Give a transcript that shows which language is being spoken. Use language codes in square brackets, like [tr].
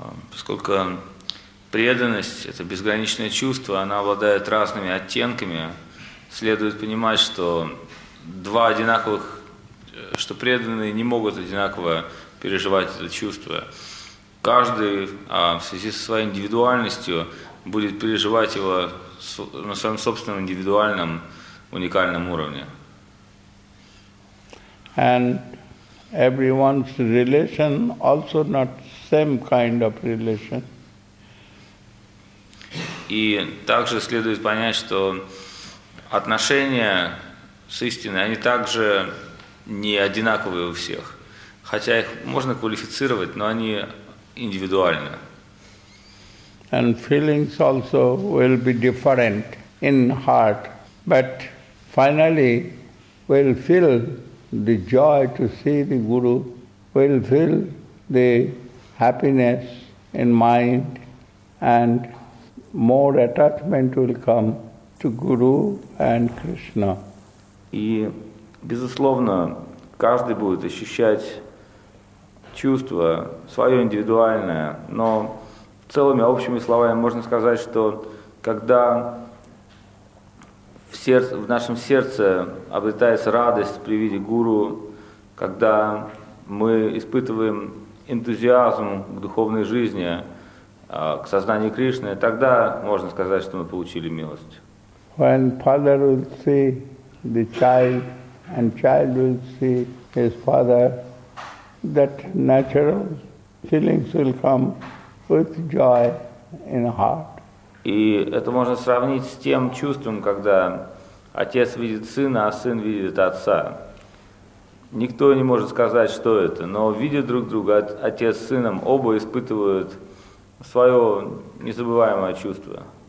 [ru] Поскольку преданность — это безграничное чувство, она обладает разными оттенками, следует понимать, что два одинаковых, что преданные не могут одинаково переживать это чувство. Каждый в связи со своей индивидуальностью будет переживать его на своем собственном индивидуальном уникальном уровне. [en] And everyone's relation also not same kind of relation. [ru] И также следует понять, что отношения с истиной, они также не одинаковые у всех. Хотя их можно квалифицировать, но они индивидуальны. [en] And feelings also will be different in heart, but finally will feel the joy to see the guru, will feel the happiness in mind, and more attachment will come to guru and Krishna. [ru] И безусловно, каждый будет ощущать чувство свое индивидуальное, но целыми общими словами можно сказать, что когда в нашем сердце обретается радость при виде гуру, когда мы испытываем энтузиазм к духовной жизни, к сознанию Кришны, тогда можно сказать, что мы получили милость. [en] When father will see the child and child will see his father, that natural feelings will come with joy in heart. [ru] И это можно сравнить с тем чувством, когда отец видит сына, а сын видит отца. Никто не может сказать, что это, но видя друг друга, отец с сыном, оба испытывают свое незабываемое чувство.